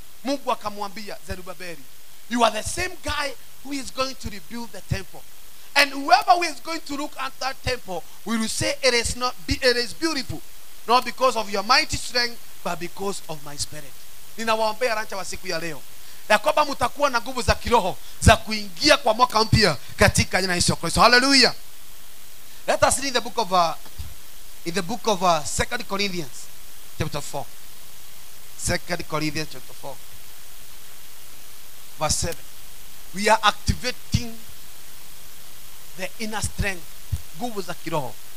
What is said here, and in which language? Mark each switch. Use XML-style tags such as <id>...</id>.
<sw>Mungu akamwambia Zerubabeli,</sw> <en>"You are the same guy who is going to rebuild the temple. And whoever who is going to look at that temple will say it is beautiful. Not because of your mighty strength, but because of my spirit."</en> <sw>Ninawaombea rancha wa siku ya leo. Ya kwamba mutakuwa na nguvu za kiroho za kuingia kwa mwaka mpya katika jina Yesu Kristo.</sw> <en>Hallelujah. Let us read in the book of 2 Corinthians chapter 4. 2 Corinthians chapter 4. Verse 7. We are activating the inner strength.</en> <sw>Nguvu za kiroho.</sw>